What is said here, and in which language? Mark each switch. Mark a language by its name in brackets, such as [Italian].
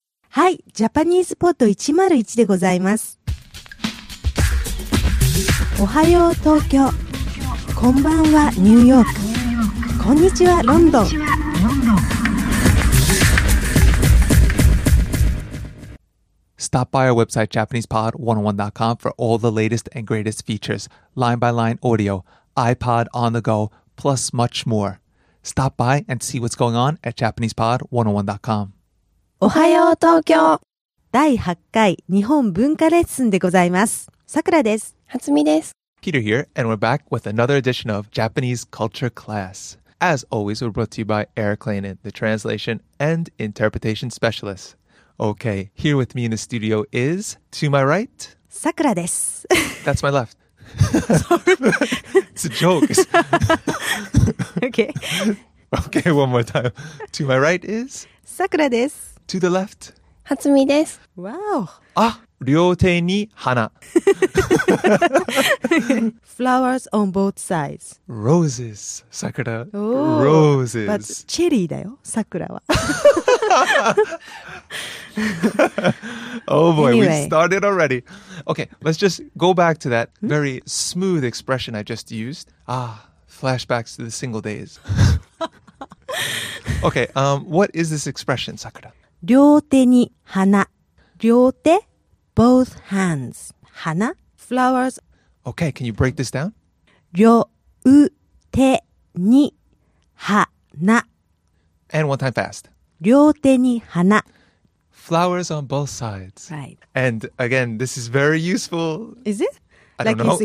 [Japanese] はい、ジャパニーズポッド101でございます。おはよう東京、こんばんはニューヨーク、こんにちはロンドン。 [English] Stop by our website JapanesePod101.com for all the latest and greatest features, line-by-line audio, iPod on the go, plus much more. Stop by and see what's going on at JapanesePod101.com. [Japanese] おはよう東京。第8回日本文化レッスンでございます。さくらです。はつみです。 [English] Peter here, and we're back with another edition of Japanese Culture Class. As always, we're brought to you by Eric Lainen, the translation and interpretation specialist. Okay, here with me in the studio is, to my right... [Japanese] Sakura desu. [English] That's my left. Sorry. It's a joke. Okay. Okay, one more time. To my right is... [Japanese] Sakura desu. [English] To the left... [Japanese] Hatsumi desu. [English] Wow. [Japanese] Ah, 両手に花. [English] Flowers on both sides. Roses, Sakura. Oh, roses. But cherry [Japanese] だよ、 [English] Sakura は. Oh boy, anyway. We started already. Okay, let's just go back to that very smooth expression I just used. Ah, flashbacks to the single days. Okay, what is this expression, Sakura? [Japanese] 両手に花両手 [English] both hands [Japanese] 花 [English] flowers. Okay, can you break this down? [Japanese] 両手に花 [English] And one time fast. [Japanese] 両手に花 [English] Flowers on both sides. Right. And again, this is very useful. Is it? I don't know.